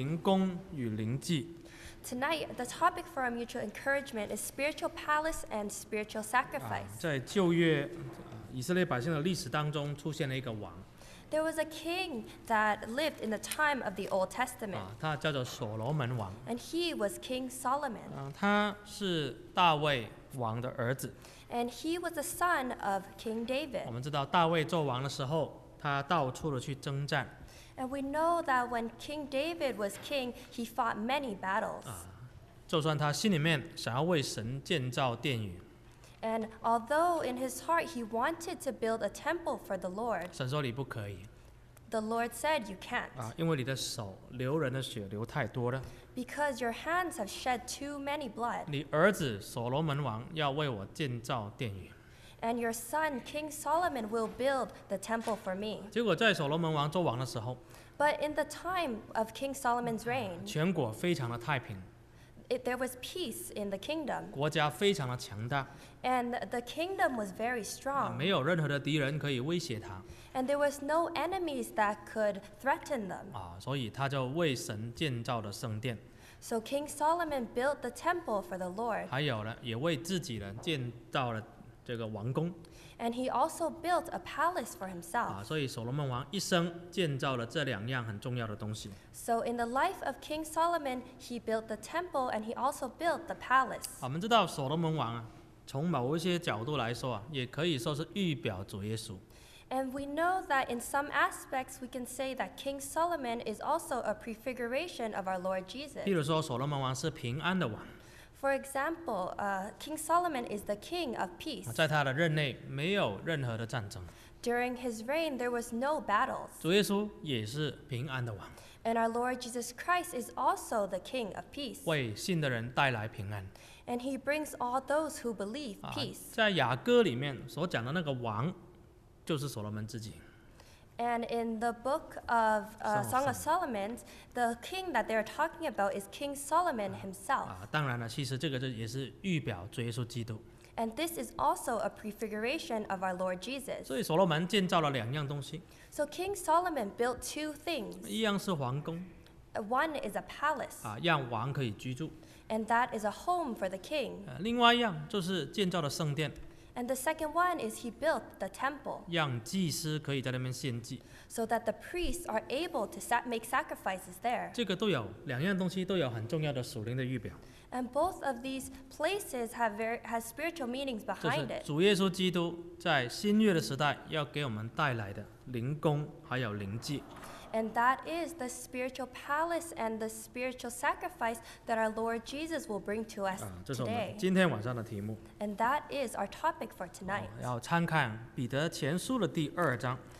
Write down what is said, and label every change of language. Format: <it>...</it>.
<en>Tonight, the topic for our mutual encouragement is spiritual palace and spiritual sacrifice.</en> <zh>在旧约, 以色列百姓的历史当中出现了一个王。</zh> <en>There was a king that lived in the time of the Old Testament.</en> <zh>他叫做所罗门王。</zh> <en>And he was King Solomon.</en> <zh>他是大卫王的儿子。</zh> <en>And he was the son of King David.</en> <zh>我们知道大卫做王的时候, 他到处的去征战。</zh> <en>And we know that when King David was king, he fought many battles.</en> <zh>就算他心里面想要为神建造殿宇。</zh> <en>And although in his heart he wanted to build a temple for the Lord,</en> <zh>神说你不可以。</zh> <en>The Lord said, you can't.</en> <zh>因为你的手流人的血流太多了。</zh> <en>Because your hands have shed too many blood.</en> <zh>你儿子所罗门王要为我建造殿宇。</zh> <en>And your son, King Solomon, will build the temple for me.</en> <zh>结果在所罗门王做王的时候,</zh> <en>But in the time of King Solomon's reign,</en> <zh>全国非常的太平。</zh> <en>There was peace in the kingdom.</en> <zh>国家非常的强大。</zh> <en>And the kingdom was very strong.</en> <zh>没有任何的敌人可以威胁他。</zh> <en>And there was no enemies that could threaten them.</en> <zh>所以他就为神建造了圣殿。</zh> <en>So King Solomon built the temple for the Lord.</en> <zh>还有呢，也为自己人建造了。这个王宫,</zh> <en>and he also built a palace for himself.</en> <zh>所以所罗门王一生建造了这两样很重要的东西。</zh> <en>So in the life of King Solomon, he built the temple and he also built the palace.</en> <zh>我们知道所罗门王啊, 从某一些角度来说啊, 也可以说是预表主耶稣。</zh> <en>And we know that in some aspects, we can say that King Solomon is also a prefiguration of our Lord Jesus.</en> <zh>譬如说所罗门王是平安的王。</zh> <en>For example, King Solomon is the king of peace.</en> <zh>在他的任内没有任何的战争。</zh> <en>During his reign, there was no battles.</en> <zh>主耶稣也是平安的王。</zh> <en>And our Lord Jesus Christ is also the king of peace.</en> <zh>为信的人带来平安。</zh> <en>And he brings all those who believe peace.</en> <zh>在雅歌里面所讲的那个王就是所罗门自己。</zh> <en>And in the book of Song of Solomon, the king that they are talking about is King Solomon himself.</en> <zh>当然了，其实这个就也是预表主耶稣基督。</zh> <en>And this is also a prefiguration of our Lord Jesus.</en> <zh>所以所罗门建造了两样东西。</zh> <en>So King Solomon built two things.</en> <zh>一样是皇宫。</zh> <en>One is a palace.</en> <zh>让王可以居住。</zh> <en>And that is a home for the king.</en> <zh>另外一样就是建造了圣殿。</zh> <en>And the second one is he built the temple.</en> <zh>让祭司可以在那边献祭。</zh> <en>So that the priests are able to make sacrifices there.</en> <zh>这个都有, 两样东西都有很重要的属灵的预表。</zh> <en>And both of these places have has spiritual meanings behind it.</en> <zh>主耶稣基督在新约的时代要给我们带来的灵宫还有灵祭。</zh> <en>And that is the spiritual palace and the spiritual sacrifice that our Lord Jesus will bring to us today. And that is our topic for tonight.</en> <zh>要参看彼得前书的第二章。</zh>